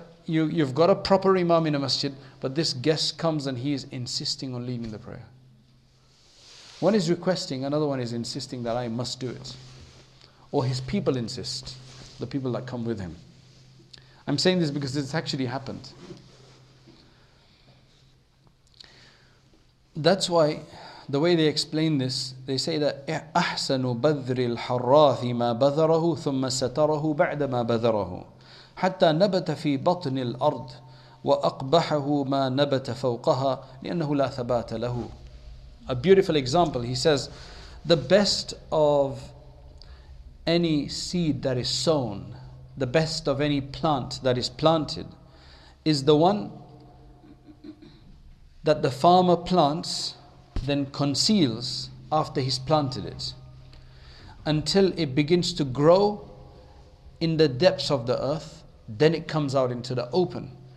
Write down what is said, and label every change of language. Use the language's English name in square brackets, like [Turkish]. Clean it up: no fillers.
[English] You've got a proper imam in a masjid, but this guest comes and he is insisting on leading the prayer. One is requesting, another one is insisting that I must do it. Or his people insist, the people that come with him. I'm saying this because it's actually happened. That's why, the way they explain this, they say that [Arabic] أَحْسَنُ بَذْرِ الْحَرَّاثِ مَا بَذَرَهُ ثُمَّ سَتَرَهُ بَعْدَ مَا بَذَرَهُ حَتَّى نَبَتَ فِي بَطْنِ الْأَرْضِ وَأَقْبَحَهُ مَا نَبَتَ فَوْقَهَا لِأَنَّهُ لَا ثَبَاتَ لَهُ. [English] A beautiful example, he says, the best of any seed that is sown, the best of any plant that is planted, is the one that the farmer plants, then conceals after he's planted it, until it begins to grow in the depths of the earth, then it comes out into the open.